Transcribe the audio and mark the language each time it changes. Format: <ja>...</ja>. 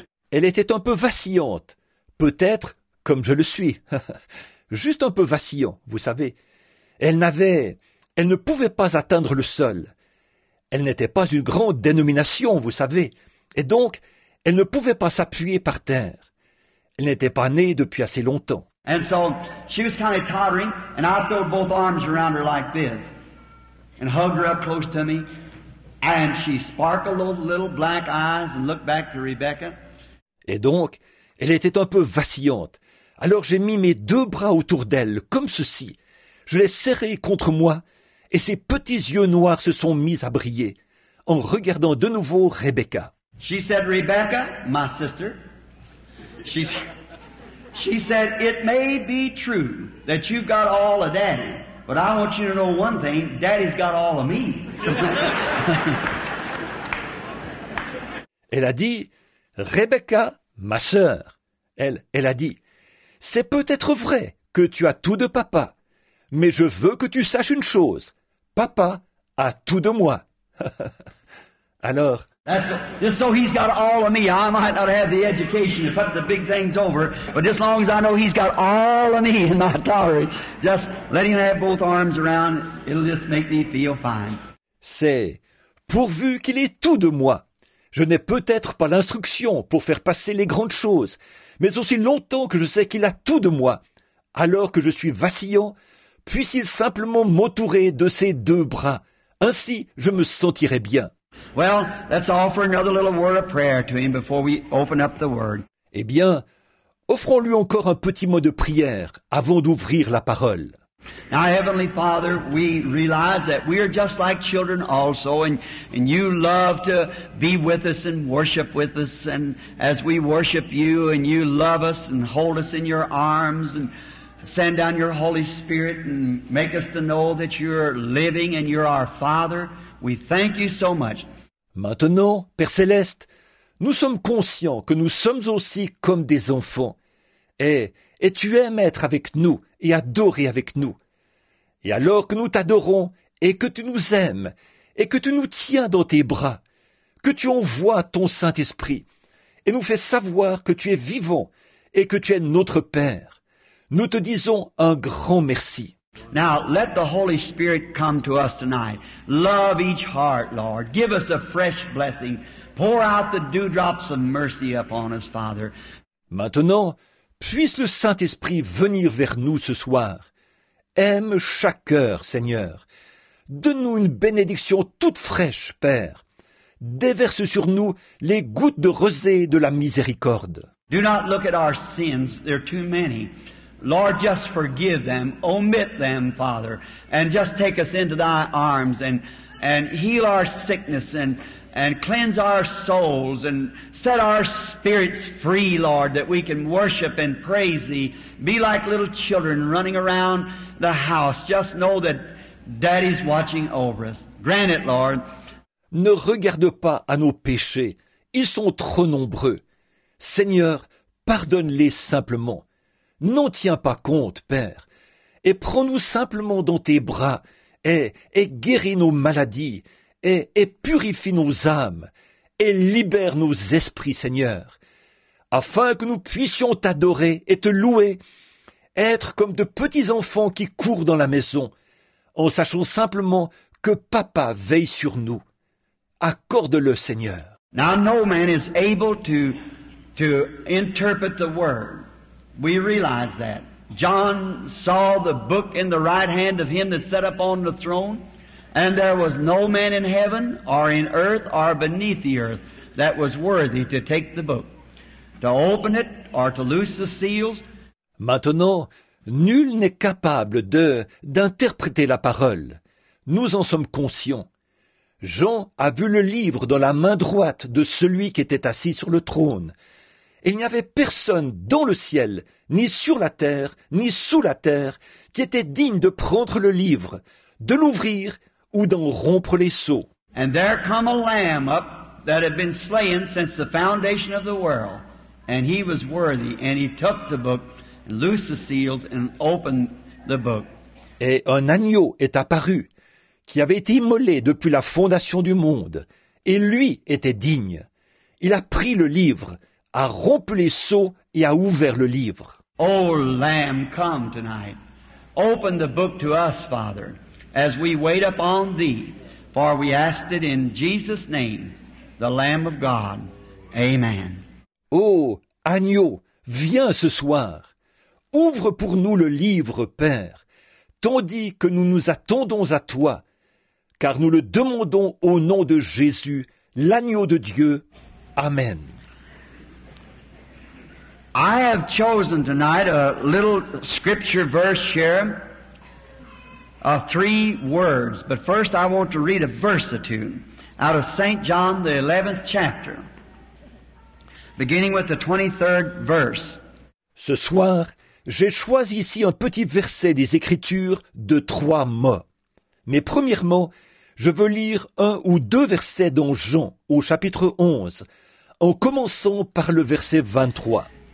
<fr>Elle était un peu vacillante, peut-être comme je le suis. Juste un peu vacillant, vous savez. Elle ne pouvait pas atteindre le sol. Elle n'était pas une grande dénomination, vous savez, et donc elle ne pouvait pas s'appuyer par terre. Elle n'était pas née depuis assez longtemps.</fr> <en>And so she was kind of tottering, and I threw both arms around her like this, and hugged her up close to me, and she sparkled those little black eyes and looked back to Rebecca.</en> <fr>Et donc, elle était un peu vacillante. Alors j'ai mis mes deux bras autour d'elle, comme ceci. Je l'ai serrée contre moi. Et ses petits yeux noirs se sont mis à briller en regardant de nouveau Rebecca.</fr> <en>She said, Rebecca, my sister, she said, it may be true that you've got all of Daddy, but I want you to know one thing, Daddy's got all of me.</en> <fr>Elle a dit, Rebecca, ma sœur. Elle a dit, c'est peut-être vrai que tu as tout de papa, mais je veux que tu saches une chose. Papa a tout de moi. Alors,</fr> <en>just so he's got all of me. I might not have the education to put the big things over, but just as long as I know he's got all of me in my tottery, just let him have both arms around, it'll just make me feel fine.</en> <fr>C'est pourvu qu'il ait tout de moi. Je n'ai peut-être pas l'instruction pour faire passer les grandes choses, mais aussi longtemps que je sais qu'il a tout de moi, alors que je suis vacillant, puisse-il simplement m'entourer de ses deux bras. Ainsi, je me sentirai bien.</fr> <en>Well, let's offer another little word of prayer to him before we open up the word.</en> <fr>Eh bien, offrons-lui encore un petit mot de prière avant d'ouvrir la parole.</fr> <en>Now, Heavenly Father, we realize that we are just like children also, and you love to be with us and worship with us, and as we worship you, and you love us and hold us in your arms, and send down your Holy Spirit and make us to know that you're living and you're our Father. We thank you so much.</en> <fr>Maintenant, Père Céleste, nous sommes conscients que nous sommes aussi comme des enfants. Et tu aimes être avec nous et adorer avec nous. Et alors que nous t'adorons et que tu nous aimes et que tu nous tiens dans tes bras, que tu envoies ton Saint-Esprit et nous fais savoir que tu es vivant et que tu es notre Père. Nous te disons un grand merci.</fr> <en>Now, let the Holy Spirit come to us tonight. Love each heart, Lord. Give us a fresh blessing. Pour out the dewdrops of mercy upon us, Father.</en> <fr>Maintenant, puisse le Saint-Esprit venir vers nous ce soir. Aime chaque cœur, Seigneur. Donne-nous une bénédiction toute fraîche, Père. Déverse sur nous les gouttes de rosée de la miséricorde.</fr> <en>Do not look at our sins. There are too many. Lord, just forgive them, omit them, Father, and just take us into thy arms and heal our sickness and cleanse our souls and set our spirits free, Lord, that we can worship and praise thee. Be like little children running around the house. Just know that Daddy's watching over us. Grant it, Lord.</en> <fr>Ne regarde pas à nos péchés. Ils sont trop nombreux. Seigneur, pardonne-les simplement. N'en tiens pas compte, Père, et prends-nous simplement dans tes bras et guéris nos maladies et purifie nos âmes et libère nos esprits, Seigneur, afin que nous puissions t'adorer et te louer, être comme de petits enfants qui courent dans la maison, en sachant simplement que papa veille sur nous. Accorde-le, Seigneur.</fr> <en>Now no man is able to interpret the word. We realize that. John saw the book in the right hand of him that sat upon the throne, and there was no man in heaven or in earth or beneath the earth that was worthy to take the book, to open it or to loose the seals.</en> <fr>Maintenant, nul n'est capable d'interpréter la parole. Nous en sommes conscients. Jean a vu le livre dans la main droite de celui qui était assis sur le trône. Il n'y avait personne dans le ciel, ni sur la terre, ni sous la terre, qui était digne de prendre le livre, de l'ouvrir ou d'en rompre les sceaux.</fr> <en>And there came a lamb up that had been slain since the foundation of the world, and he was worthy, and he took the book, and loosed the seals, and opened the book.</en> <fr>Et un agneau est apparu, qui avait été immolé depuis la fondation du monde, et lui était digne. Il a pris le livre, a rompu les sceaux et a ouvert le livre.</fr> <en>O Lamb, come tonight. Open the book to us, Father, as we wait upon thee, for we ask it in Jesus' name, the Lamb of God. Amen.</en> <fr>Ô agneau, viens ce soir. Ouvre pour nous le livre, Père, tandis que nous nous attendons à toi, car nous le demandons au nom de Jésus, l'agneau de Dieu. Amen.</fr> <en>I have chosen tonight a little scripture verse here of three words, but first I want to read a verse or two out of St. John, the 11th chapter, beginning with the 23rd verse.</en> <fr>Ce soir, j'ai choisi ici un petit verset des Écritures de trois mots. Mais premièrement, je veux lire un ou deux versets dans Jean, au chapitre 11, en commençant par le verset 23.</fr>